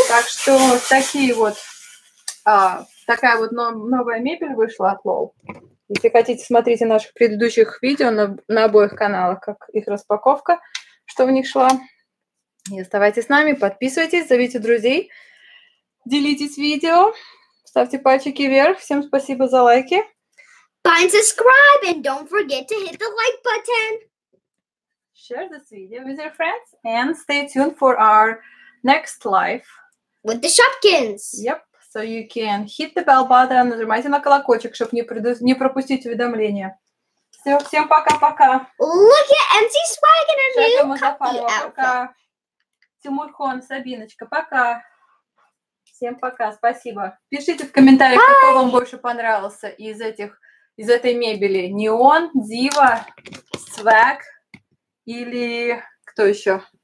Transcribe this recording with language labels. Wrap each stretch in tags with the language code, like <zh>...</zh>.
<ru>Так что такие вот, такая вот новая мебель вышла от Лол. Если хотите, смотрите наших предыдущих видео на обоих каналах, как их распаковка, что в них шла. И оставайтесь с нами, подписывайтесь, зовите друзей, делитесь видео. Ставьте пальчики вверх. Всем спасибо за лайки.</ru> <en>Bye and subscribe and don't forget to hit the like button. Share this video with your friends and stay tuned for our next live with the Shopkins. Yep. So you can hit the bell button,</en> <ru>нажимайте на колокольчик, чтобы не пропустить уведомления. Все, всем пока-пока.</ru> <en>Look at MC Swag and our new coffee outfit.</en> <ru>Пока. Тимурхон, Сабиночка, пока. Всем пока, спасибо. Пишите в комментариях, какой вам больше понравился из этой мебели. Неон, Дива, Свэг или кто еще?</ru>